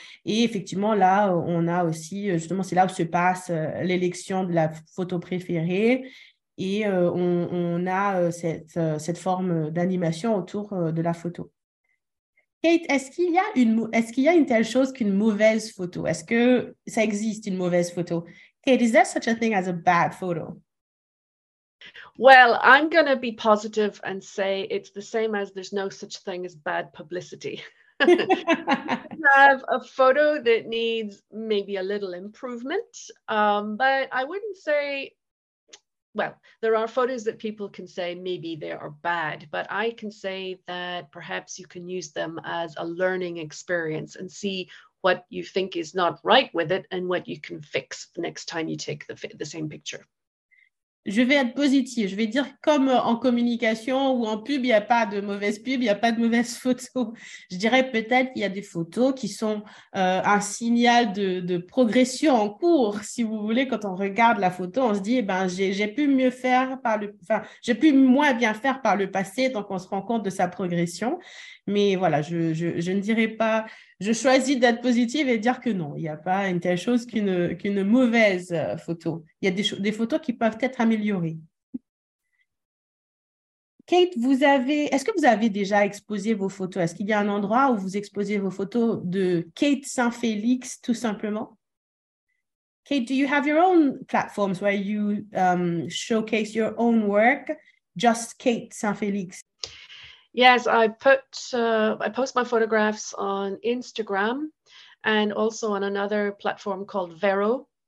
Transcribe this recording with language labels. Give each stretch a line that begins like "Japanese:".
French: Et effectivement, là, on a aussi, justement, c'est là où se passe l'élection de la photo préférée. Et on a cette forme d'animation autour de la photo. Kate, est-ce qu'il y a une telle chose qu'une mauvaise photo? Est-ce que ça existe, une mauvaise photo?
English: Kate, is there such a thing as a bad photo? Well, I'm going to be positive and say it's the same as there's no such thing as bad publicity. You have a photo that needs maybe a little improvement, but I wouldn't say... Well, there are photos that people can say maybe they are bad, but I can say that perhaps you can use them as a learning experience and see what you think is not right with it and what you can fix the next time you take the same picture.
French: Je vais être positive. Je vais dire comme en communication ou en pub, il n'y a pas de mauvaise pub, il n'y a pas de mauvaise photo. Je dirais peut-être qu'il y a des photos qui sont un signal de progression en cours. Si vous voulez, quand on regarde la photo, on se dit, eh ben, j'ai pu moins bien faire par le passé, donc on se rend compte de sa progression. Mais voilà, je ne dirais pas, je choisis d'être positive et dire que non, il n'y a pas une telle chose qu'une mauvaise photo. Il y a des photos qui peuvent être améliorées. Kate, est-ce que vous avez déjà exposé vos photos? Est-ce qu'il y a un endroit où vous exposez vos photos de Kate Saint-Félix, tout simplement?
English: Kate, do you have your own platforms where you showcase your own work, just Kate Saint-Félix? Yes, I post my photographs on Instagram and also on another platform called Vero.